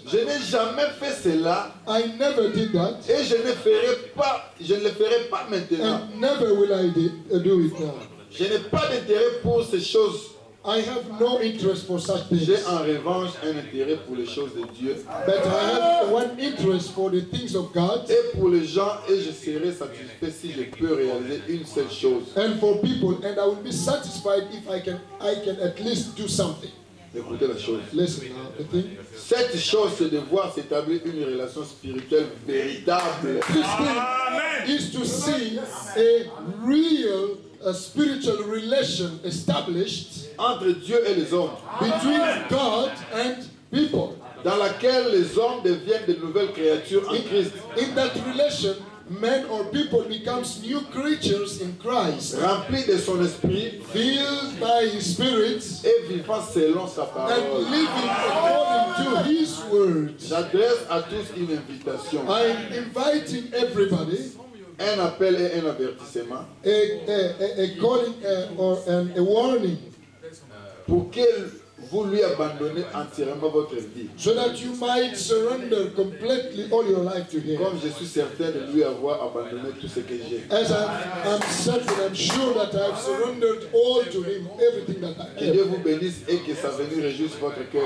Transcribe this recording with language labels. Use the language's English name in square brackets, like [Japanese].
[French] Je n'ai jamais fait cela. [English] I never did that. [French] Et je ne ferai pas. Je ne le ferai pas maintenant. [English] And never will I do it now. [French] Je n'ai pas d'intérêt pour ces choses. [English] I have no interest for such things. [French] J'ai en revanche un intérêt pour les choses de Dieu. [English] But I have one interest for the things of God. [French] Et pour les gens, et je serai satisfait si je peux réaliser une seule chose. [English] And for people, and I will be satisfied if I can at least do something. [French] Écoutez la chose. [English] Listen now, the thing. [French] Cette chose, c'est de voir s'établir une relation spirituelle véritable. [English] This thing is to see a real a spiritual relation established [French] entre Dieu et les hommes, [English] between God and people, [French] dans laquelle les hommes deviennent de nouvelles créatures en Christ. [English] In that relation, men or people becomes new creatures in Christ, [French] remplis de son esprit, [English] filled by his spirit, [French] et vivant selon sa parole, [English] and living according to his word. [French] J'adresse à tous une invitation. [English] I'm inviting everybody. [French] Un appel et un avertissement. [English] A calling or a warning. [French] Pour que vous lui abandonnez entièrement votre vie. [English] So that you might surrender completely all your life to him. [French] Comme je suis certain de lui avoir abandonné tout ce que j'ai. [English] As I'm certain, I'm sure that I've surrendered all to him, everything that I have. [French] Que Dieu vous bénisse et que sa venue réjouisse votre cœur.